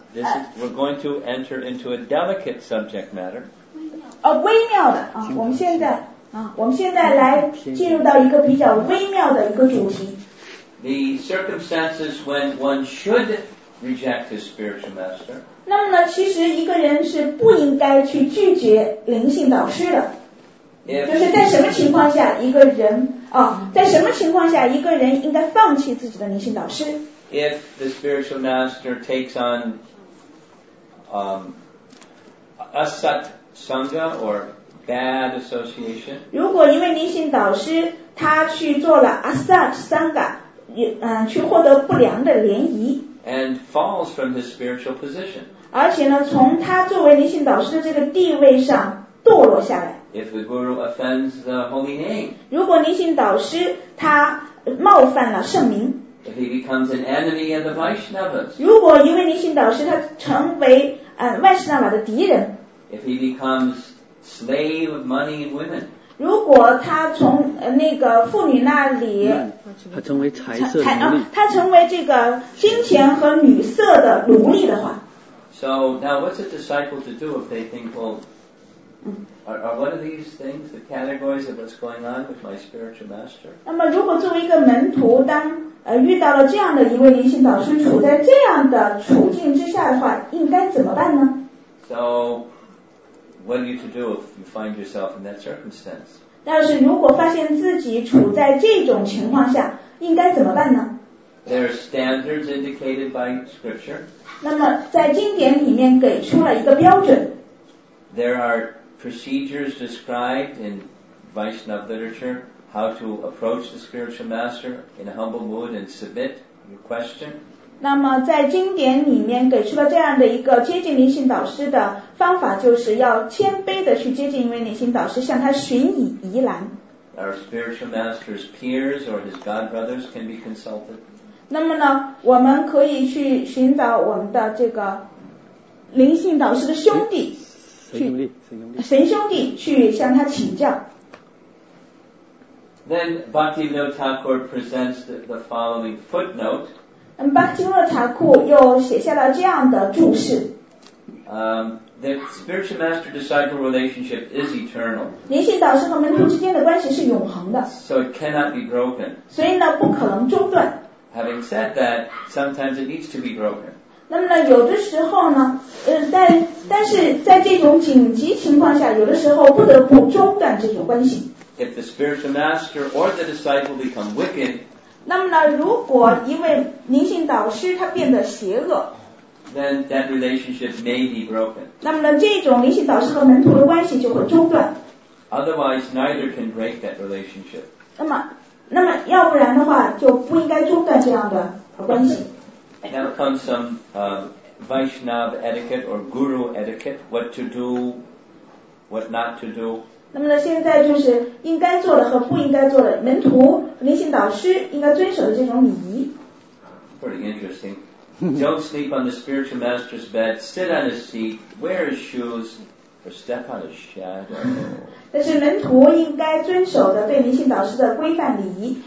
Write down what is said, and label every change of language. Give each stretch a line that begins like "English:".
English: This is, we're going to enter into a delicate subject matter.
Chinese: 微妙的啊，我们现在。我们现在来进入到一个比较微妙的一个主题。
English: The circumstances when one should reject his spiritual master.
Chinese: 那么呢，其实一个人是不应该去拒绝灵性导师的。就是在什么情况下一个人啊，在什么情况下一个人应该放弃自己的灵性导师
English: ？If the spiritual master takes on asat sangha or Bad association.
Chinese: 如果一位灵性导师他去做了 asat sangha， 去获得不良的联谊
English: ，and falls from his spiritual position，
Chinese: 而且呢，从他作为灵性导师的这个地位上堕落下来。
English: If the guru offends the holy name，
Chinese: 如果灵性导师他冒犯了圣名
English: ，if he becomes an enemy of the Vaishnavas，
Chinese: 如果一位灵性导师他成为万世那瓦的敌人
English: ，if he becomes slave of money and women.
Chinese: 如果他从那个妇女那里，他成为财色奴隶，他成为这个金钱和女色的奴隶的话。
English: So now, what's a disciple to do if they think, well, are one of these things the categories of what's going on with my spiritual master?
Chinese: 那么，如果作为一个门徒，当遇到了这样的一位灵性导师，处在这样的处境之下的话，应该怎么办呢
English: ？So. What are you to do if you find yourself in that circumstance?
Chinese: 但是如果发现自己处在这种情况下，应该怎么办呢？
English: There are standards indicated by scripture.
Chinese: 那么在经典里面给出了一个标准。
English: There are procedures described in Vaishnava literature how to approach the spiritual master in a humble mood and submit your question.
Chinese: 那么在经典里面给出了这样的一个接近灵性导师的方法就是要谦卑的去接近一位灵性导师向他寻以宜兰
English: Our spiritual master's peers or his god brothers can be consulted
Chinese: 那么呢我们可以去寻找我们的这个灵性导师的兄弟神兄弟去向他请教
English: Then Bhaktivinoda Thakur presents the following footnote
Chinese: Bhaktivinoda Thakur 又写下了这样的注释
English: The spiritual master disciple relationship is eternal.
Chinese: 灵性导师和门徒之间的关系是永恒的。
English: So it cannot be broken.
Chinese: 所以呢，不可能中断。
English: Having said that, sometimes it needs to be broken.
Chinese: 那么呢，有的时候呢，但是在这种紧急情况下，有的时候不得不中断这种关系。
English: If the spiritual master or the disciple become wicked,
Chinese: 那么呢，如果一位灵性导师他变得邪恶。
English: Then that relationship may be broken.
Chinese: 那么呢，这种灵性导师和门徒的关系就会中断。
English: Otherwise, neither can break that relationship.
Chinese: 那么要不然的话，就不应该中断这样的关系。
English: Now comes some Vaishnav etiquette or Guru etiquette, what to do, what not to do.
Chinese: 那么呢，现在就是应该做的和不应该做的，门徒、灵性导师应该遵守的这种礼仪。
English: Pretty interesting. Don't sleep on the spiritual master's bed. Sit on his seat. Wear his shoes, or step on his shadow.
Chinese: 但是门徒应该遵守的对灵性导师的规范礼仪。